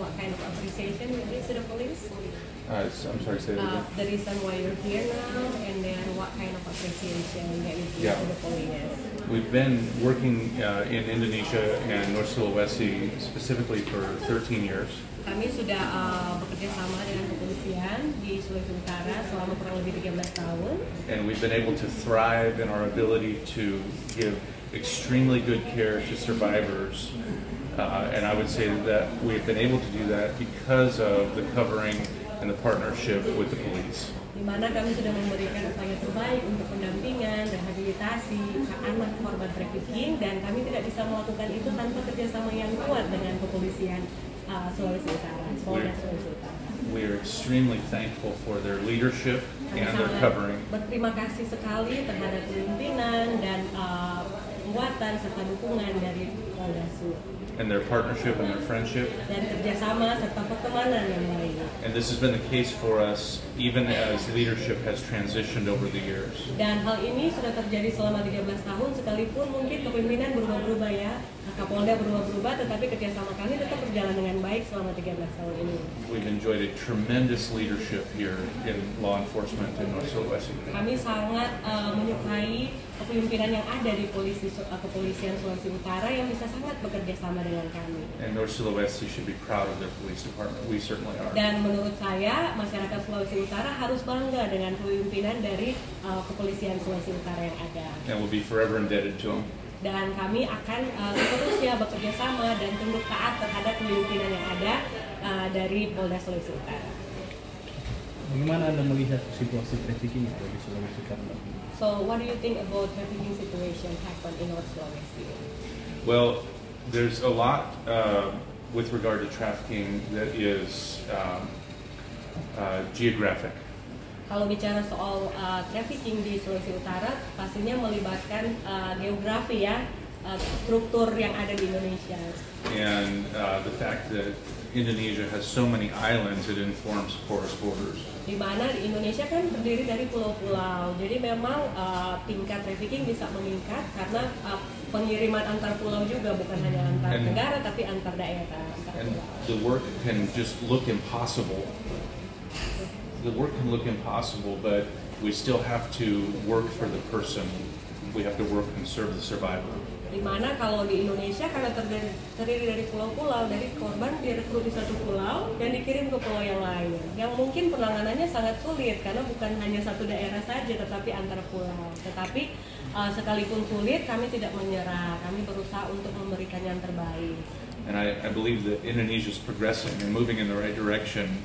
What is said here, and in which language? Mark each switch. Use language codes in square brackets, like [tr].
[en] What's the reason they came here, and then what kind of appreciation you give to the police? I'm sorry, say that. The reason why you're here now, and then what kind of appreciation you get to the police? We've been working in Indonesia and North Sulawesi specifically for 13 years. [id] Kami sudah bekerja sama dengan kepolisian di Sulawesi Utara selama kurang lebih 13 tahun. [en] And we've been able to thrive in our ability to give extremely good care to survivors. And I would say that we have been able to do that because of the covering and the partnership with the police. [id] Di mana kami sudah memberikan upaya terbaik untuk pendampingan, rehabilitasi anak korban trafficking, dan kami tidak bisa melakukan itu tanpa kerjasama yang kuat dengan kepolisian Sulawesi Utara, Polres Sulawesi Utara. [en] We are extremely thankful for their leadership and their covering. [id] Berterima kasih sekali terhadap pimpinan dan kekuatan serta dukungan dari Polres. [en] And their partnership and their friendship. [id] Dan kerjasama serta pertemanan yang baik. [en] And this has been the case for us, even as leadership has transitioned over the years. [id] Dan hal ini sudah terjadi selama 13 tahun, sekalipun mungkin kepemimpinan berubah-berubah ya, Kapolda berubah-berubah, tetapi kerjasama kami tetap berjalan dengan baik selama 13 tahun ini. [en] We've enjoyed a tremendous leadership here in law enforcement in North Sulawesi. [id] Kami sangat menyukai kepemimpinan yang ada di polisi kepolisian Sulawesi Utara yang bisa sangat bekerja sama. [en] And North Sulawesi should be proud of their police department. We certainly are. [id] Dan menurut saya, masyarakat Sulawesi Utara harus bangga dengan kepemimpinan dari kepolisian Sulawesi Utara yang ada. [en] And we'll be forever indebted to them. [id] Dan kami akan seterusnya bekerja sama dan tunduk taat terhadap kepemimpinan yang ada dari Polda Sulawesi Utara. Bagaimana Anda melihat situasi trafficking di Sulawesi Utara? [en] So, what do you think about trafficking situation happen in North Sulawesi? Well, there's a lot with regard to trafficking that is geographic. [id] Kalau bicara soal trafficking di Sulawesi Utara, pastinya melibatkan geografi ya, struktur yang ada di Indonesia. [en] And the fact that Indonesia has so many islands, it informs porous borders. [id] Di mana di Indonesia kan berdiri dari pulau-pulau, jadi memang tingkat trafficking bisa meningkat karena pengiriman antar pulau juga bukan hanya antar negara tapi antar daerah. [en] The work can just look impossible. The work can look impossible, but we still have to work for the person. We have to work and serve the survivor. [id] Di mana kalau di Indonesia karena terdiri dari pulau-pulau, dari korban direkrut di satu pulau dan dikirim ke pulau yang lain. Yang mungkin penanganannya sangat sulit karena bukan hanya satu daerah saja tetapi antar pulau. Tetapi sekalipun sulit, kami tidak menyerah. Kami berusaha untuk memberikan yang terbaik. [en] And I believe that Indonesia is progressing and moving in the right direction.